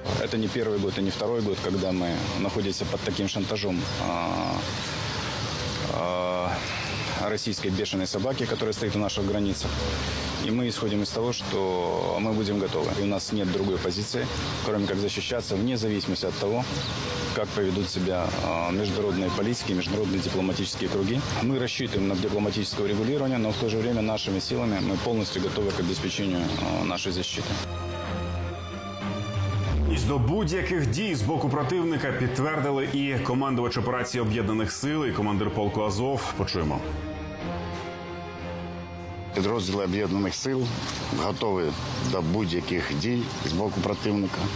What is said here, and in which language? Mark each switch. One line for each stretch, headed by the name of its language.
Ukrainian: Це не перший рік, не другий рік, коли ми знаходимося під таким шантажем російської бешеної собаки, яка стоїть у наших границях. І ми ісходимо з того, що ми будемо готові. І у нас нет другої позиції, крім як захищатися, вне залежності від того,
Russian: как поведут себя международные политики, международные дипломатические круги. Мы рассчитываем на дипломатическое регулирование, но в то же время нашими силами мы полностью готовы к обеспечению нашей защиты.
Ukrainian: Із до будь-яких дій з боку противника підтвердили і командувач операції об'єднаних сил, і командир полку Азов. Почуємо. Підрозділи об'єднаних сил готові до будь-яких дій з боку противника.